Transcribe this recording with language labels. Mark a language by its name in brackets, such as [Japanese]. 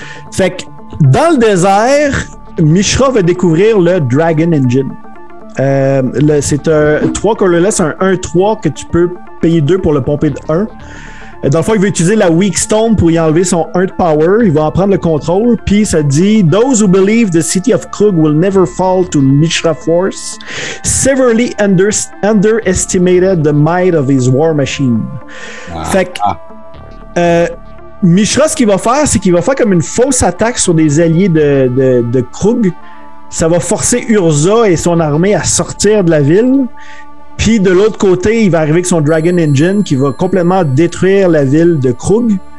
[French] Fait que dans le désert, Mishra va découvrir le Dragon Engine. C'est un 3 colorless, un 1-3 que tu peux payer 2 pour le pomper de 1. Dans le fond, il va utiliser la Weak Stone pour y enlever son 1 de power. Il va en prendre le contrôle. Puis ça dit [English] « Those who believe the city of Krug will never fall to Mishra force, severely underestimated the might of his war machine. [French] Ah. » Fait que... Mishra, ce qu'il va faire, c'est qu'il va faire comme une fausse attaque sur des alliés de Krug. Ça va forcer Urza et son armée à sortir de la ville. Puis de l'autre côté, il va arriver avec son Dragon Engine qui va complètement détruire la ville de Krug.